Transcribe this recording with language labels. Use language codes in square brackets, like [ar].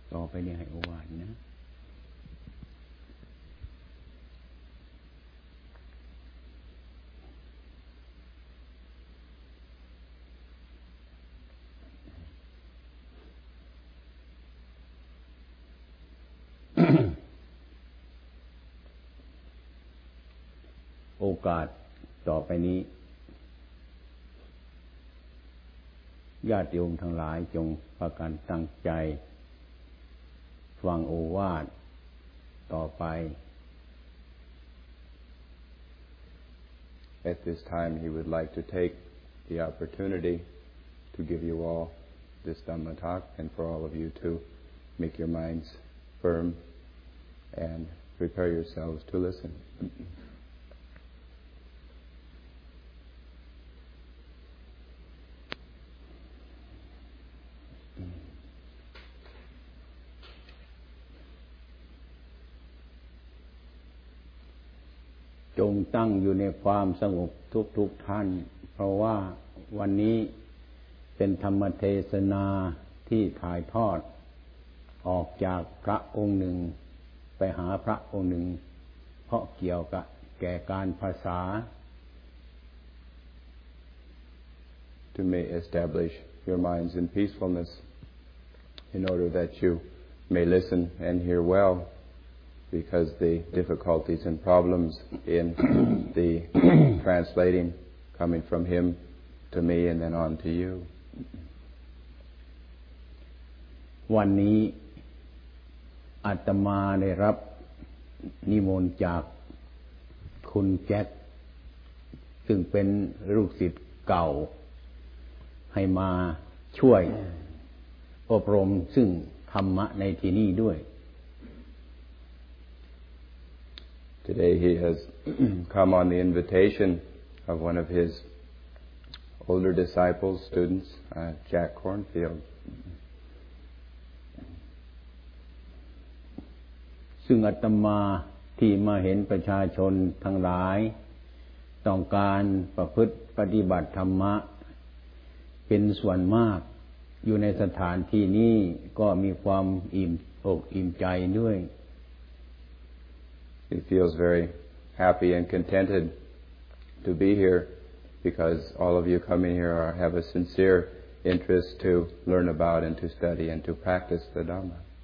[th] ไปนี่ให้โอวาทนะโอกาสต่อไปนี้ ญาติโยมทั้งหลายจงประกันตั้งใจฟังโอวาทต่อไป [en] At this time he would like to take the opportunity to give you all this Dhamma talk and for all of you to make your minds firm and prepare yourselves to listen. [th] จงตั้งอยู่ในความสงบทุกท่านเพราะว่าวันนี้เป็นธรรมเทศนาที่ถ่ายทอดออกจากพระองค์หนึ่งไปหาพระองค์หนึ่งเพราะเกี่ยวกับแก่การภาษา [en] To may establish your minds in peacefulness in order that you may listen and hear well. Because the difficulties and problems in the translating coming from him to me and then on to you. [th] วันนี้อาตมาได้รับนิมนต์จากคุณแจ็คซึ่งเป็นลูกศิษย์เก่าให้มาช่วยอบรมซึ่งธรรมะในที่นี้ด้วย [en] Today he has come on the invitation of one of his older disciples, students, Jack Cornfield. [th] ซึ่งอาตมาที่มาเห็นประชาชนทั้งหลายต้องการประพฤติปฏิบัติธรรมะเป็นส่วนมากอยู่ในสถานที่นี้ก็มีความอิ่มอกอิ่มใจด้วย [en] He feels very happy and contented to be here because all of you coming here have a sincere interest to learn about and to study and to practice the Dhamma.